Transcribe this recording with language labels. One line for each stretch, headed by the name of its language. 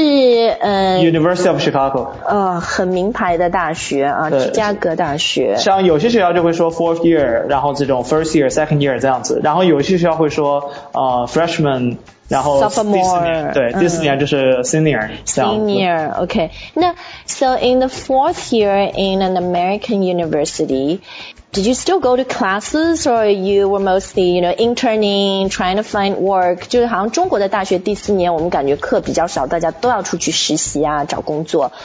English: University of Chicago。
Chinese: 很名牌的大学啊，芝加哥大学。像有些学校就会说
English: fourth year,
Chinese: 然后这种
English: first year, second year
Chinese: 这样子。然后有些学校会说freshman, 然后
English: sophomore,
Chinese: 对，第四年就是 senior,
English: senior, OK. 那 so in the fourth year in an American university,Did you still go to classes or you were mostly, you know, interning, trying to find work?
Chinese: 就是好像中国的大学第四年我们感觉课比较少，大家都要出去实习啊，找工作。